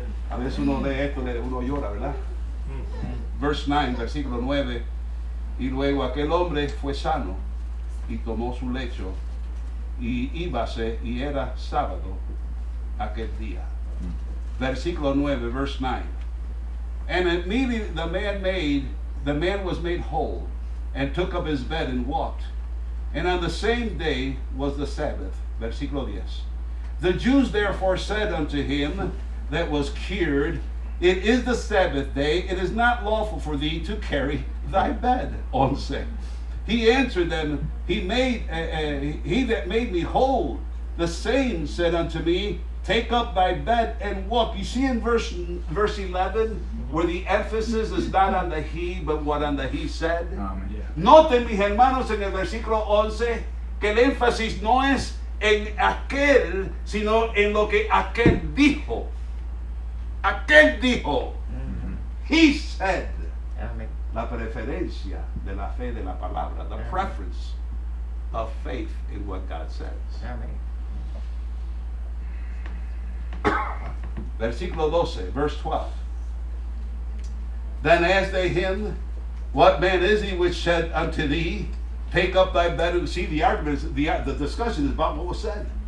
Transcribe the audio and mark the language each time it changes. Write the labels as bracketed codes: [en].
[es] A veces uno lee esto y uno llora, ¿verdad? [en] Verse 9, [es] versículo 9. Y luego aquel hombre fue sano y tomó su lecho y íbase, y era sábado aquel día. Versículo 9, [en] verse 9. And immediately the man was made whole, and took up his bed and walked. And on the same day was the Sabbath. [es] Versículo 10. [en] The Jews therefore said unto him that was cured, it is the Sabbath day, it is not lawful for thee to carry thy bed. 11. He answered them, he that made me whole, the same said unto me, take up thy bed and walk. You see in verse 11, where the emphasis is not on the he, but what on the he said. [es] Noten, mis hermanos, en el versículo 11, que el énfasis no es en aquel, sino en lo que aquel dijo. Aquel dijo. [en] He said. [es] La preferencia de la fe de la palabra. [en] The preference of faith in what God says. Amen. [es] Versículo 12, [en] verse 12. Then asked they him, what man is he which said unto thee, take up thy bed and see the arguments, the discussion is about what was said.